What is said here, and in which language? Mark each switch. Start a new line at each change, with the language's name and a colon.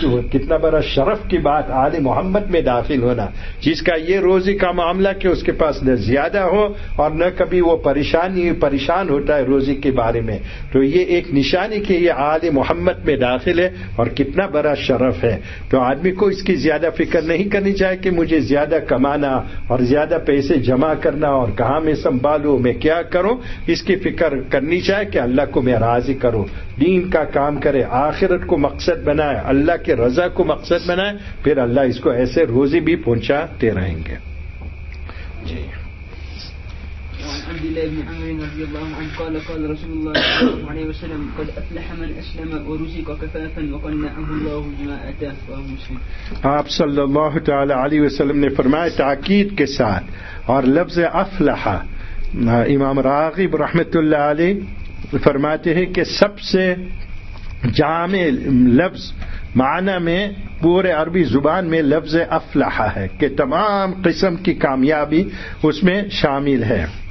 Urdu: کتنا بڑا شرف کی بات آل محمد میں داخل ہونا جس کا یہ روزی کا معاملہ کہ اس کے پاس نہ زیادہ ہو اور نہ کبھی وہ پریشان ہوتا ہے روزی کے بارے میں تو یہ ایک نشانی کہ یہ آل محمد میں داخل ہے اور کتنا بڑا شرف ہے تو آدمی کو اس کی زیادہ فکر نہیں کرنی چاہیے کہ مجھے زیادہ کمانا اور زیادہ پیسے جمع کرنا اور کہاں میں سنبھالوں میں کیا کروں اس کی فکر کرنی چاہیے کہ اللہ کو میں راضی کروں دین کا کام کرے آخرت کو مقصد بنائے اللہ کے رضا کو مقصد بنائے پھر اللہ اس کو ایسے روزی بھی پہنچاتے رہیں گے جی.
Arabic: عبد الله بن عمر رضي الله عنه قال قال رسول الله صلى الله عليه وسلم قد أفلح من أسلم ورزق كفافا وقال نعم الله بما أتاه رواه مسلم.
Urdu: آپ صلی اللہ تعالی علیہ وسلم نے فرمایا تاکید کے ساتھ اور لفظ افلح امام راغب رحمۃ اللہ علیہ فرماتے ہیں کہ سب سے جامع لفظ معنی میں پورے عربی زبان میں لفظ افلحہ ہے کہ تمام قسم کی کامیابی اس میں شامل ہے.